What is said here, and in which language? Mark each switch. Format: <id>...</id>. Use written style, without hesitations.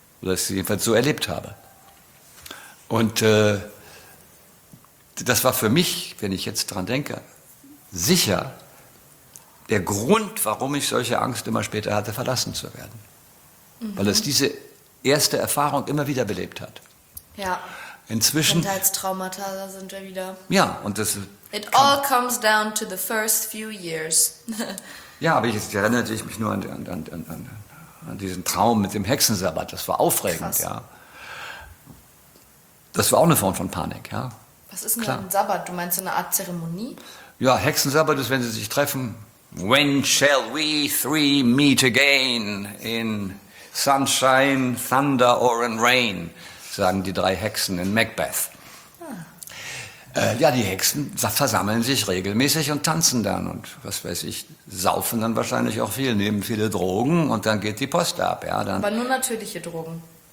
<de>Oder es jedenfalls so erlebt habe. Und das war für mich, wenn ich jetzt dran denke, sicher der Grund, warum ich solche Angst immer später hatte, verlassen zu werden. Mhm. Weil es diese erste Erfahrung immer wieder belebt hat. Ja. Inzwischen. Kindheitstraumata sind wir wieder. Ja, und das.</de> <en>It all comes down to the first few years.</en> <de>Ja, aber jetzt erinnere ich mich nur an diesen Traum mit dem Hexensabbat. Das war aufregend, krass. Ja. Das war auch eine Form von Panik, ja. Was ist denn klar. Ein Sabbat? Du meinst so eine Art Zeremonie? Ja, Hexensabbat ist, wenn sie sich treffen.</de> <en>When shall we three meet again? In sunshine, thunder or in rain?</en> <de>Sagen die drei Hexen in Macbeth. Ja, die Hexen versammeln sich regelmäßig und tanzen dann und, was weiß ich, saufen dann wahrscheinlich auch viel, nehmen viele Drogen und dann geht die Post ab. Ja, dann aber nur natürliche Drogen.</de>